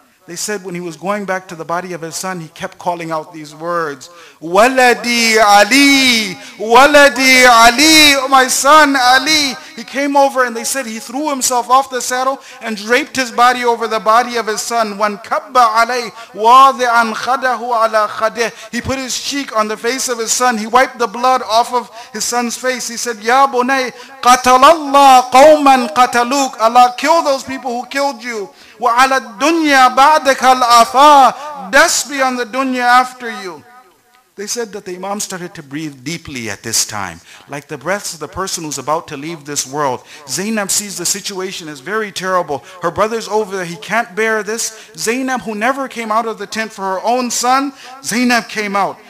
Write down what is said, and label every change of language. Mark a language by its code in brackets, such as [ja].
[en] They said when he was going back to the body of his son, he kept calling out these words, [ar] Waladi Ali, Waladi Ali, [en] my son Ali. He came over and they said he threw himself off the saddle and draped his body over the body of his son. [ar] وَانْكَبَّ عَلَيْهِ وَاضِعًا خَدَهُ عَلَى خَدِهِ. [en] He put his cheek on the face of his son. He wiped the blood off of his son's face. He said, [ar] يَا بُنَيْ قَتَلَ اللَّهُ قَوْمًا قَتَلُوكَ. [en] Allah, kill those people who killed you. [ar] وَعَلَى الدُّنْيَا بَعْدَكَ الْأَفَاءِ. [en] Death be on the dunya after you. They said that the Imam started to breathe deeply at this time, like the breaths of the person who's about to leave this world. Zainab sees the situation as very terrible. Her brother's over there. He can't bear this. Zainab, who never came out of the tent for her own son, Zainab came out.